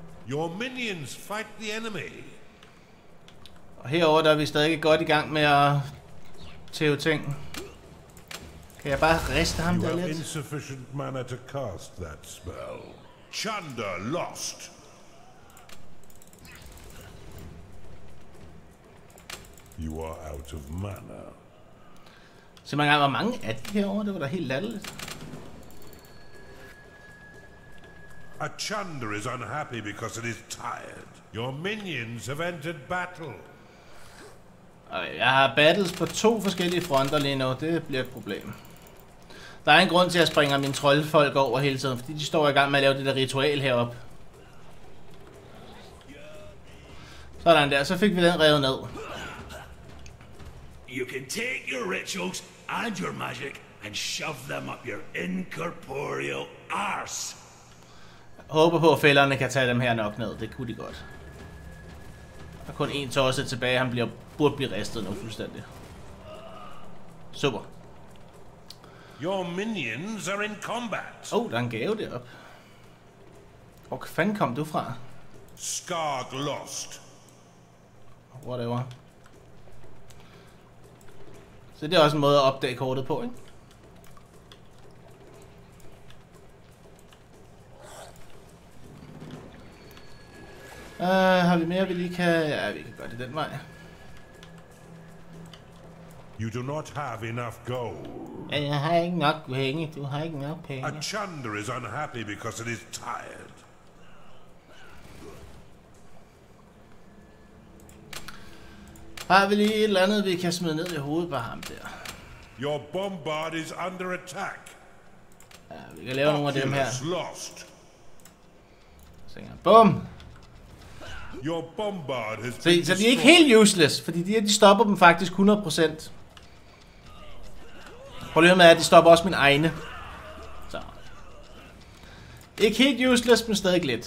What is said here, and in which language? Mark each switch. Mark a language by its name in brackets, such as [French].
[English] Your minions fight the enemy. [Danish] Og herover der er vi stadig godt i gang med at tæve ting. Kan jeg bare riste ham der lidt? [English] Insufficient mana to cast that spell. Chunder lost. You are out of mana. [Danish] Se mange gange, hvor mange af de herovre, det var da helt latterligt. [English] A Chunder is unhappy because it is tired. Your minions have entered battle. [Danish] Jeg har battles på to forskellige fronter lige nu, det bliver et problem. Der er en grund til, at jeg springer mine troldfolk over hele tiden, fordi de står i gang med at lave det der ritual heroppe. Sådan der, så fik vi den revet ned. [English] You can take your rituals and your magic and shove them up your incorporeal arse. [Danish] Jeg håber på, at fælderne kan tage dem her nok ned. Det kunne de godt. Der er kun én torse tilbage, han bliver, burde blive ristet nu fuldstændig. Super. [English] Your minions are in combat. [Danish] Oh, der er en gave derop. Hvor fanden kom du fra? [English] Skark lost. Whatever. [Danish] Så det er også en måde at opdage kortet på, ikke? Har vi mere, vi lige kan... Ja, vi kan gøre det den vej. [English] You do not have enough gold. [Danish] Jeg har ikke nok penge. Du har ikke nok penge. [English] A chunder is unhappy because it is tired. [Danish] Har vi lige et eller andet, vi kan smide ned i hovedet på ham der? [English] Your bombard is under attack. [Danish] Ja, vi kan lave nogle af dem her. [English] Lost. [Danish] Sænger. Bum! [English] Your bombard has been destroyed. [Danish] Så de er ikke helt useless, fordi de her, de stopper dem faktisk 100%. Problemet er, at de stopper også min egne. Så. Ikke helt useless, men stadig lidt.